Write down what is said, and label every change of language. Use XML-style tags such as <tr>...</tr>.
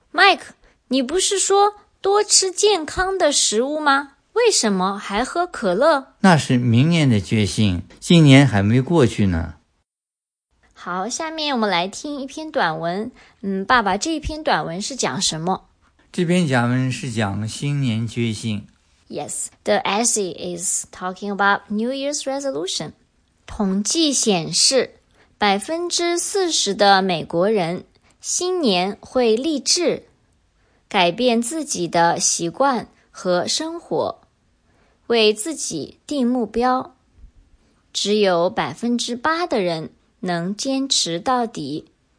<zh>Mike, 你不是说多吃健康的食物吗？为什么还喝可乐？那是明年的决心，今年还没过去呢。好，下面我们来听一篇短文。爸爸，这篇短文是讲什么？这篇短文是讲新年决心。</zh> <en>Yes, the essay is talking about New Year's resolution.</en> <zh>统计显示 ,40% 的美国人新年会立志改变自己的习惯和生活，为自己定目标。只有8%的人能坚持到底，</zh>